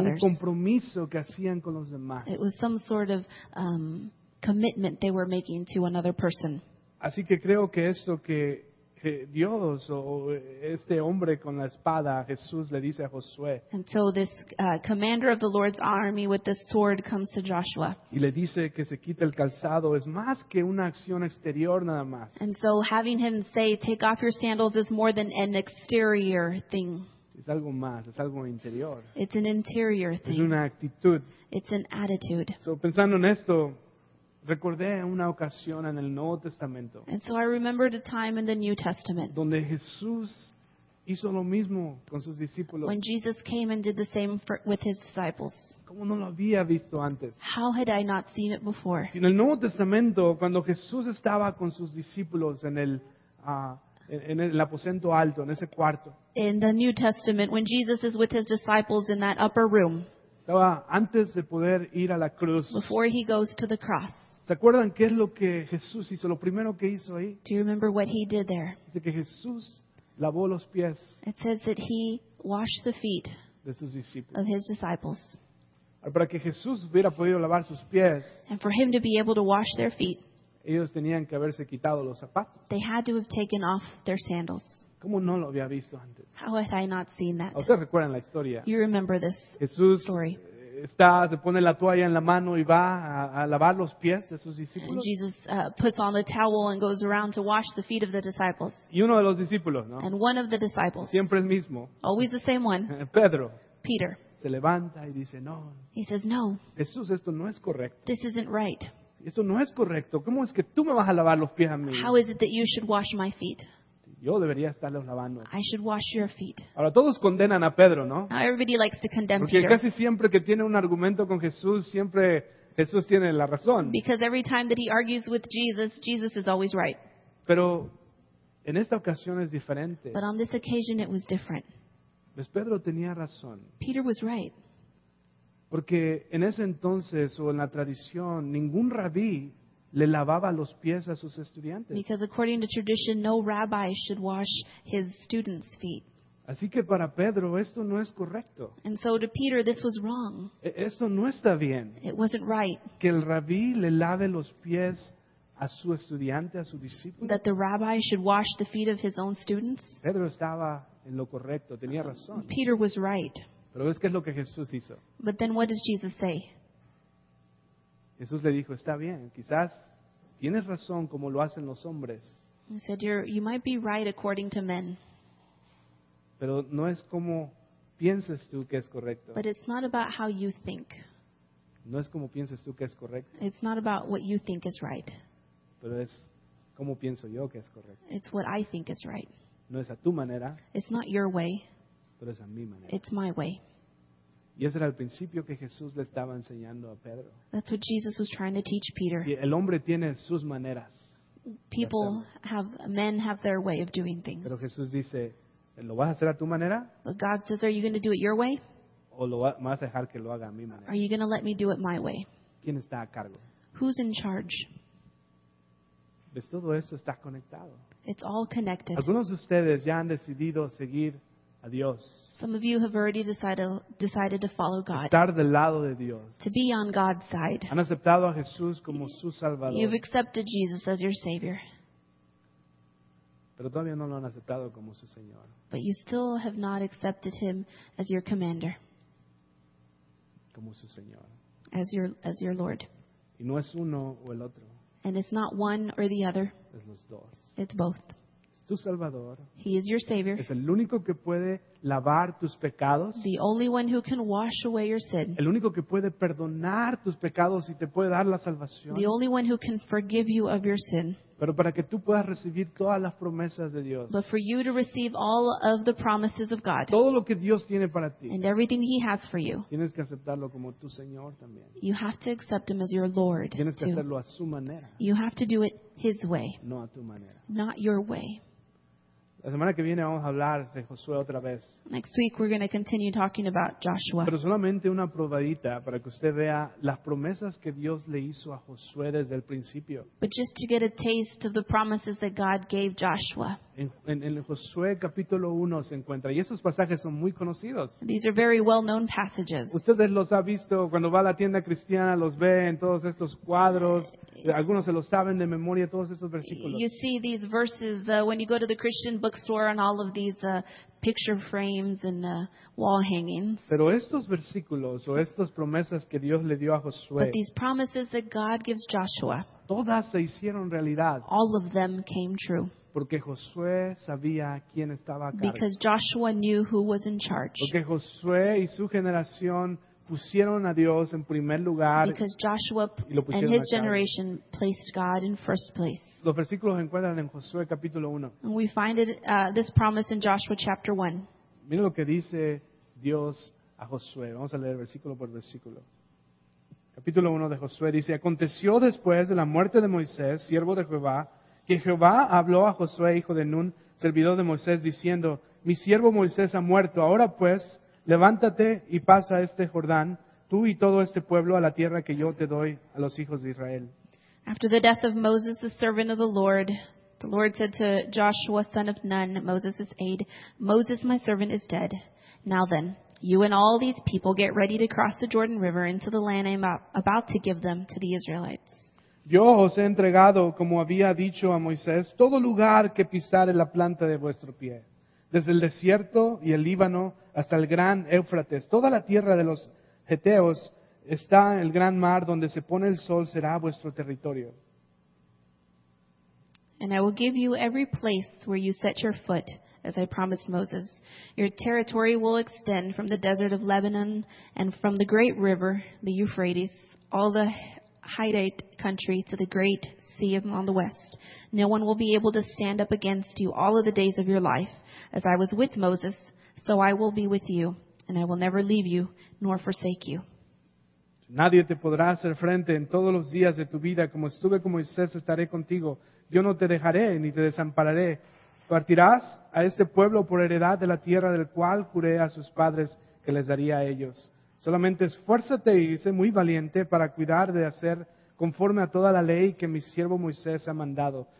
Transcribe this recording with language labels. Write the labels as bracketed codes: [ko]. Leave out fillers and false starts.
[es] Era un compromiso que hacían con los demás. [en] It was some sort of commitment they were making to another person. [es] Así que creo que esto que Dios o este hombre con la espada, Jesús, le dice a Josué. [en] And so this commander of the Lord's army with this sword comes to Joshua. [es] Y le dice que se quite el calzado es más que una acción exterior nada más. [en] And so having him say, take off your sandals is more than an exterior thing. [es] Es algo más, es algo interior. [en] It's an interior thing. [es] Es una actitud. [en] It's an attitude. [es] So pensando en esto, recordé una ocasión en el Nuevo Testamento. [en] And so I remembered a time in the New Testament. [es] Donde Jesús hizo lo mismo con sus discípulos. [en] When Jesus came and did the same with his disciples. [es] ¿Cómo no lo había visto antes? [en] How had I not seen it before? [es] En el Nuevo Testamento, cuando Jesús estaba con sus discípulos en el aposento alto, en ese cuarto. [en] In the New Testament, when Jesus is with his disciples in that upper room. [es] Estaba antes de poder ir a la cruz. [en] Before he goes to the cross. [es] ¿Se acuerdan qué es lo que Jesús hizo? Lo primero que hizo ahí. [en] Do you remember what he did there? [es] Dice que Jesús lavó los pies. [en] It says that he washed the feet [es] de sus discípulos. [en] Of his disciples. [es] Para que Jesús hubiera podido lavar sus pies. [en] And for him to be able to wash their feet. [es] Ellos tenían que haberse quitado los zapatos. [en] They had to have taken off their sandals. [es] ¿Cómo no lo había visto antes? [en] How had I not seen that? [es] ¿Ustedes recuerdan la historia? [en] You remember this [es] Jesús [en] story. [es] Está, se pone la toalla en la mano y va a lavar los pies de sus discípulos. [en] And Jesus puts on the towel and goes around to wash the feet of the disciples. [es] Y uno de los discípulos, ¿no? [en] And one of the disciples. [es] Siempre el mismo. [en] Always the same one. [es] Pedro. [en] Peter. [es] Se levanta y dice, no. [en] He says, no. [es] Jesús, esto no es correcto. [en] This isn't right. [es] Esto no es correcto. ¿Cómo es que tú me vas a lavar los pies a mí? [en] How is it that you should wash my feet? [es] Yo debería estarlos lavando. [en] I should wash your feet. [es] Ahora todos condenan a Pedro, ¿no? [en] Now, everybody likes to condemn [es] Peter. Porque casi siempre que tiene un argumento con Jesús, siempre Jesús tiene la razón. [en] Because every time that he argues with Jesus, Jesus is always right. [es] Pero en esta ocasión es diferente. [en] But on this occasion it was different. [es] Pues Pedro tenía razón. [en] Peter was right. [es] Porque en ese entonces o en la tradición, ningún rabí le lavaba los pies a sus estudiantes. [en] Because according to tradition, no rabbi should wash his students' feet. [es] Así que para Pedro esto no es correcto. [en] And so to Peter, this was wrong. [es] Esto no está bien. [en] It wasn't right. [es] Que el rabí le lave los pies a su estudiante, a su discípulo. [en] That the rabbi should wash the feet of his own students. [es] Pedro estaba en lo correcto, tenía razón. [en] Peter was right. [es] Pero ¿ves qué es lo que Jesús hizo? [en] But then what does Jesus say? [es] Jesús le dijo, está bien, quizás tienes razón como lo hacen los hombres. [en] He said, you might be right according to men. [es] Pero no es como piensas tú que es correcto. [en] But it's not about how you think. [es] No es como piensas tú que es correcto. [en] It's not about what you think is right. [es] Pero es como pienso yo que es correcto. [en] It's what I think is right. [es] No es a tu manera. [en] It's not your way. [es] Pero es a mi manera. [en] It's my way. [es] Y ese era el principio que Jesús le estaba enseñando a Pedro. [en] That's what Jesus was trying to teach Peter. [es] Y el hombre tiene sus maneras. [en] People have, men have their way of doing things. [es] Pero Jesús dice, ¿lo vas a hacer a tu manera? [en] But God says, are you going to do it your way? [es] ¿O me vas a dejar que lo haga a mi manera? [en] Are you going to let me do it my way? [es] ¿Quién está a cargo? [en] Who's in charge? [es] Pues todo eso está conectado. [en] It's all connected. [es] Algunos de ustedes ya han decidido seguir a Dios. [en] Some of you have already decided to follow God. [es] Estar del lado de Dios. [en] To be on God's side. [es] Han aceptado a Jesús como su Salvador. [en] You've accepted Jesus as your Savior. [es] Pero todavía no lo han aceptado como su Señor. [en] But you still have not accepted Him as your Commander. [es] Como su Señor. [en] As your Lord. [es] Y no es uno o el otro. [en] And it's not one or the other. [es] Es los dos. [en] It's both. [es] Es tu Salvador. [en] He is your Savior. [es] Es el único que puede lavar tus pecados. [en] The only one who can wash away your sin. [es] El único que puede perdonar tus pecados y te puede dar la salvación. [en] The only one who can forgive you of your sin. [es] Pero para que tú puedas recibir todas las promesas de Dios. [en] But for you to receive all of the promises of God. [es] Todo lo que Dios tiene para ti. [en] And everything He has for you. [es] Tienes que aceptarlo como tu Señor también. [en] You have to accept Him as your Lord. [es] Tienes que hacerlo a su manera. [en] You have to do it His way. [es] No a tu manera. [en] Not your way. [es] La semana que viene vamos a hablar de Josué otra vez. [en] Next week we're going to continue talking about Joshua. [es] Pero solamente una probadita para que usted vea las promesas que Dios le hizo a Josué desde el principio. [en] But just to get a taste of the promises that God gave Joshua. [es] En Josué capítulo 1 se encuentra, y esos pasajes son muy conocidos. [en] These are very well-known passages. [es] Ustedes los ha visto cuando va a la tienda cristiana, los ve en todos estos cuadros. Algunos se los saben de memoria todos esos versículos. [en] You see these verses when you go to the Christian bookstore and all of these picture frames and wall hangings. [es] Pero estos versículos o estas promesas que Dios le dio a Josué. [en] But these promises that God gives Joshua. [es] Todas se hicieron realidad. [en] All of them came true. [es] Porque Josué sabía quién estaba a cargo. [en] Because Joshua knew who was in charge. [es] Porque Josué y su generación pusieron a Dios en primer lugar. [en] Because Joshua and his generation placed God in first place. [es] Los versículos se encuentran en Josué capítulo 1. [en] And we find it, this promise in Joshua chapter 1. [es] Mira lo que dice Dios a Josué. Vamos a leer versículo por versículo. Capítulo 1 de Josué dice, aconteció después de la muerte de Moisés, siervo de Jehová, que Jehová habló a Josué, hijo de Nun, servidor de Moisés, diciendo, mi siervo Moisés ha muerto, ahora pues, levántate y pasa este Jordán, tú y todo este pueblo, a la tierra que yo te doy a los hijos de Israel. [en] After the death of Moses, the servant of the Lord said to Joshua, son of Nun, Moses' aide, Moses, my servant, is dead. Now then, you and all these people get ready to cross the Jordan River into the land I'm about to give them to the Israelites. [es] Yo os he entregado, como había dicho a Moisés, todo lugar que pisare la planta de vuestro pie, desde el desierto y el Líbano hasta el gran Éufrates. Toda la tierra de los Heteos está en el gran mar donde se pone el sol, será vuestro territorio. [en] And I will give you every place where you set your foot, as I promised Moses. Your territory will extend from the desert of Lebanon and from the great river, the Euphrates, all the Hittite country to the great sea on the west. No one will be able to stand up against you all of the days of your life. As I was with Moses, so I will be with you, and I will never leave you nor forsake you. [es] Nadie te podrá hacer frente en todos los días de tu vida. Como estuve con Moisés, estaré contigo. Yo no te dejaré ni te desampararé. Partirás a este pueblo por heredad de la tierra del cual juré a sus padres que les daría a ellos. Solamente esfuérzate y sé muy valiente para cuidar de hacer conforme a toda la ley que mi siervo Moisés ha mandado.